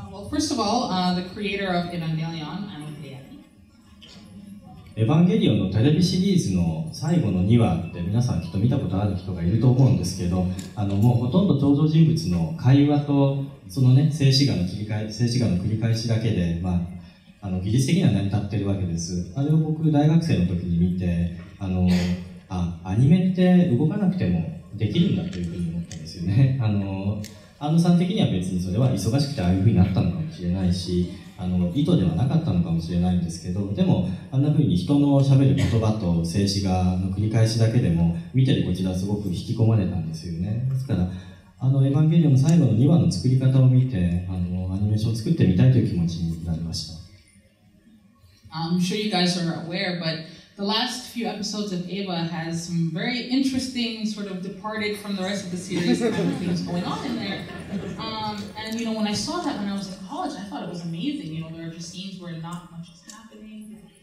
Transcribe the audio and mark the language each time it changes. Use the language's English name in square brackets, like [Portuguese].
[English] First of all, the creator of Evangelion, [Japanese] エヴァンゲリオンのテレビシリーズの最後の2話って皆さんきっと見たことある人がいると思うんですけど、もうほとんど登場人物の会話とそのね、静止画の繰り返しだけで、技術的には成り立ってるわけです。あれを僕大学生の時に見て、アニメって動かなくてもできるんだというふうに思ったんですよね。庵野さん的には別にそれは忙しくてああいうふうになったのかもしれないし、意図ではなかったのかもしれないんですけど、でもあんなふうに人のしゃべる言葉と静止画の繰り返しだけでも見てるこちらすごく引き込まれたんですよね。ですからエヴァンゲリオンの最後の2話の作り方を見て、アニメメーションを作ってみたいという気持ちになりました。 [English] I'm sure you guys are aware, but the last few episodes of Eva has some very interesting sort of departed from the rest of the series kind of things going on in there. And you know, when I saw that when I was in college, I thought it was amazing. You know, there are just scenes where not much is happening.